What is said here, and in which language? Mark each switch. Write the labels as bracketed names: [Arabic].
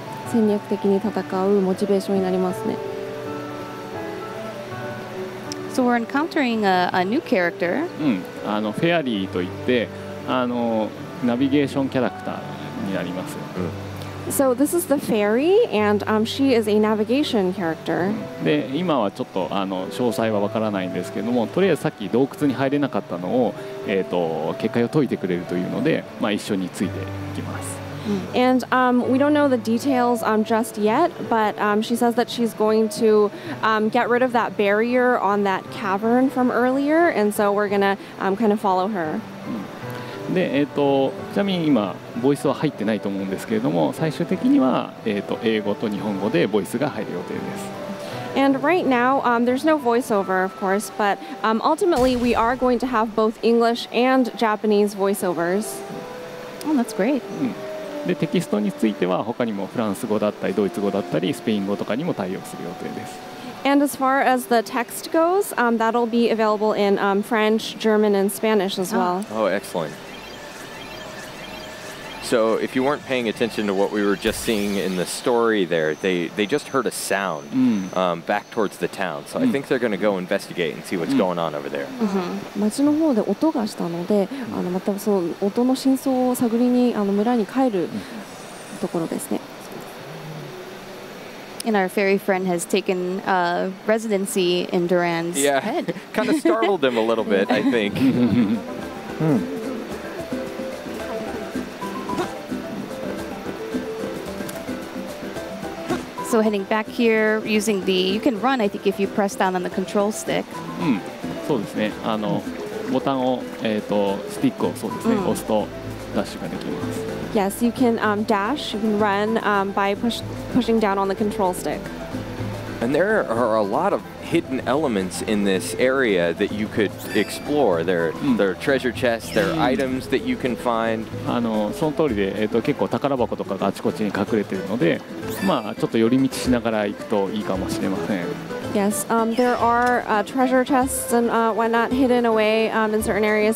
[Japanese] 戦略的に戦うモチベーションになりますね。 [English] So we're encountering a new character. [Japanese] フェアリーといって、ナビゲーションキャラクターになります。 [English] So this is the fairy, and she is a navigation character. [Japanese] で、今はちょっと詳細はわからないんですけども、とりあえずさっき洞窟に入れなかったのを、結界を解いてくれるというので、まあ、一緒についていきます。 [English] And we don't know the details just yet, but she says that she's going to get rid of that barrier on that cavern from earlier, and so we're gonna kind of follow her. [Japanese] で、ちなみに今ボイスは入ってないと思うんですけれども、最終的には、英語と日本語でボイスが入る予定です。 [English] And right now, there's no voiceover, of course, but ultimately we are going to have both English and Japanese voiceovers. Oh, that's great. [Japanese] で、テキストについては他にもフランス語だったりドイツ語だったりスペイン語とかにも対応する予定です。 [English] And as far as the text goes, that'll be available in French, German, and Spanish as well. Oh, excellent. So if you weren't paying attention to what we were just seeing in the story there, they just heard a sound back towards the town. So I think they're going to go investigate and see what's going on over there. [Japanese] 街の方で音がしたので、またその音の真相を探りに村に帰るところですね。 [English] And our fairy friend has taken residency in Duran's yeah. head. Yeah, kind of startled him a little bit, I think. So heading back here, using the... You can run, I think, if you press down on the control stick. [Japanese] そうですね。ボタンを、スティックをそうですね、押すとダッシュができます。 [English] Yes, you can dash, you can run by pushing down on the control stick. And there are a lot of hidden elements in this area that you could explore. There are treasure chests, there are items that you can find. [Japanese] その通りで、結構宝箱とかがあちこちに隠れているので、まあ、ちょっと寄り道しながら行くといいかもしれません。 [English] Yes, there are treasure chests and whatnot hidden away in certain areas.